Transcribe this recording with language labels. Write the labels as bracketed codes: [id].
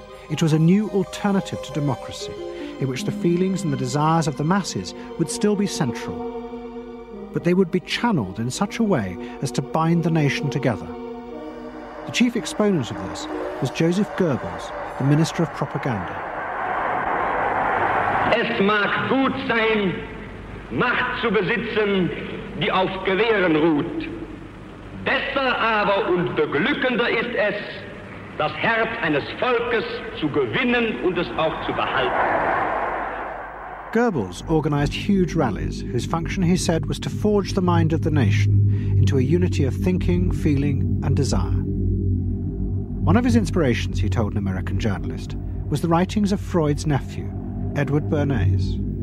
[en] It was a new alternative to democracy, in which the feelings and the desires of the masses would still be central, but they would be channeled in such a way as to bind the nation together. The chief exponent of this was Joseph Goebbels, the Minister of Propaganda. [de] Es mag gut sein, Macht zu besitzen, die auf Gewehren ruht. Besser aber und beglückender ist es, das Herz eines Volkes zu gewinnen und es auch zu behalten. [en] Goebbels organized huge rallies whose function, he said, was to forge the mind of the nation into a unity of thinking, feeling and desire. One of his inspirations, he told an American journalist, was the writings of Freud's nephew, Edward Bernays.